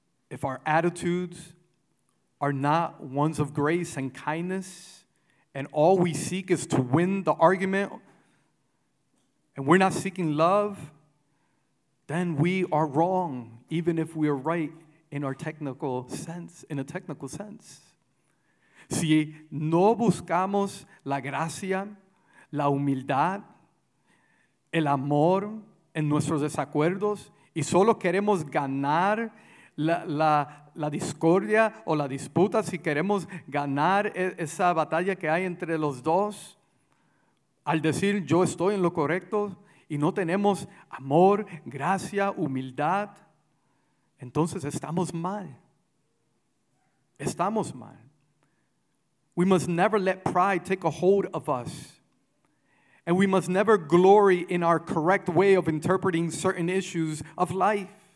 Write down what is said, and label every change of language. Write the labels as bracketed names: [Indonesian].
[English] If our attitudes are not ones of grace and kindness, and all we seek is to win the argument, and we're not seeking love, then we are wrong, even if we are right in our technical sense, in a technical sense. [Spanish] Si no buscamos la gracia, la humildad, el amor en nuestros desacuerdos, y solo queremos ganar la discordia o la disputa, si queremos ganar esa batalla que hay entre los dos, al decir yo estoy en lo correcto, y no tenemos amor, gracia, humildad, entonces estamos mal. Estamos mal. [English] We must never let pride take a hold of us. And we must never glory in our correct way of interpreting certain issues of life.